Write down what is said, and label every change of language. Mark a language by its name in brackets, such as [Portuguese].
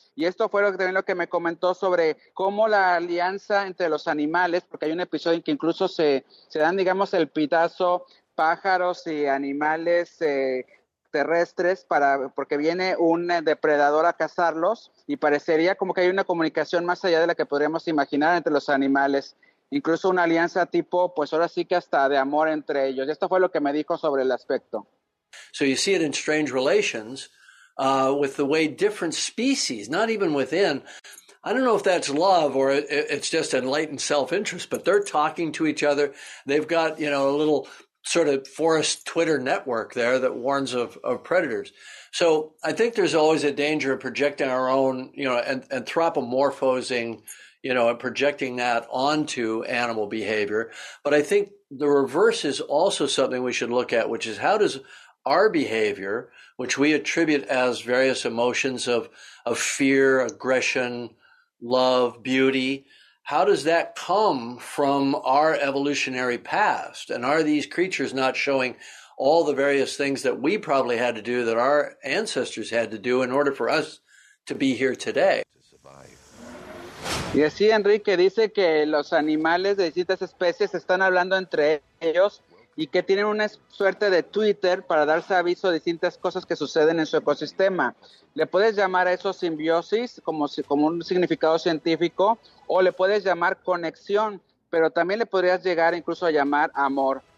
[Spanish] Y esto fue lo que me comentó sobre cómo la alianza entre los animales, porque hay un episodio en que incluso se dan, digamos, el pitazo pájaros y animales terrestres, porque viene un depredador a cazarlos y parecería como que hay una comunicación más allá de la que podríamos imaginar entre los animales. Incluso una alianza tipo, pues ahora sí que hasta de amor entre ellos. Esto fue lo que me dijo sobre el aspecto. [English] So you see it in strange relations with the way different species, not even within, I don't know if that's love or it's just enlightened self-interest, but they're talking to each other. They've got, you know, a little sort of forest Twitter network there that warns of predators. So I think there's always a danger of projecting our own, you know, anthropomorphosing, you know, and projecting that onto animal behavior. But I think the reverse is also something we should look at, which is how does our behavior, which we attribute as various emotions of fear, aggression, love, beauty, how does that come from our evolutionary past? And are these creatures not showing all the various things that we probably had to do that our ancestors had to do in order for us to be here today? [Spanish] Y así Enrique dice que los animales de distintas especies están hablando entre ellos y que tienen una suerte de Twitter para darse aviso de distintas cosas que suceden en su ecosistema. Le puedes llamar a eso simbiosis como un significado científico o le puedes llamar conexión, pero también le podrías llegar incluso a llamar amor.